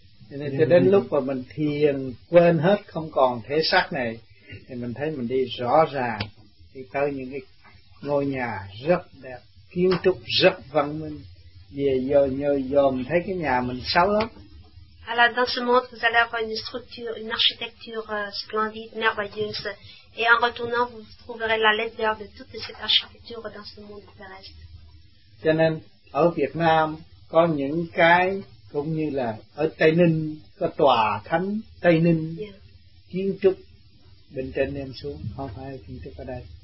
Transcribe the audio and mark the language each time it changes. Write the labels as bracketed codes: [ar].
[vi] Cho đến lúc mà mình thiền quên hết không còn thể xác này thì mình thấy mình đi rõ ràng, thì tới những cái ngôi nhà rất đẹp, kiến trúc rất văn minh. Về giờ nhờ giờ mình thấy cái nhà mình xấu lắm. [fr] Alors dans ce monde, vous allez avoir une structure, une architecture splendide, merveilleuse. Et en retournant, vous trouverez la laideur de toute cette architecture dans ce monde terrestre. [vi] Cho nên, ở Việt Nam, có những cái, cũng như là ở Tây Ninh, có tòa thánh Tây Ninh, kiến trúc bên trên em xuống, không phải kiến trúc ở đây.